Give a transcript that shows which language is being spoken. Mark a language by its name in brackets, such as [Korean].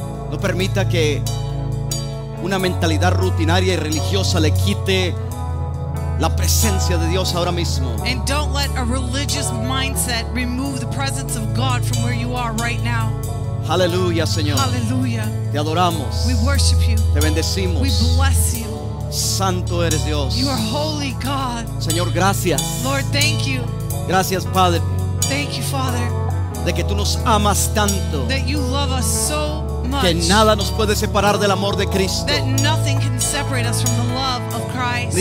[Spanish] No permita que una mentalidad rutinaria y religiosa le quite la presencia de Dios ahora mismo. [English] And don't let a religious mindset remove the presence of God from where you are right now. [Spanish] Hallelujah, Señor. Hallelujah. Te adoramos. [English] We worship you. [Spanish] Te bendecimos. [English] We bless you. [Spanish] Santo eres Dios. [English] You are holy God. [Spanish] Señor, gracias. [English] Lord, thank you. [Spanish] Gracias, Padre. [English] Thank you, Father. [Spanish] De que tú nos amas tanto. [English] That you love us so much. [Spanish] Que nada nos puede separar del amor de Cristo. [English] That nothing can separate us from the love of Christ.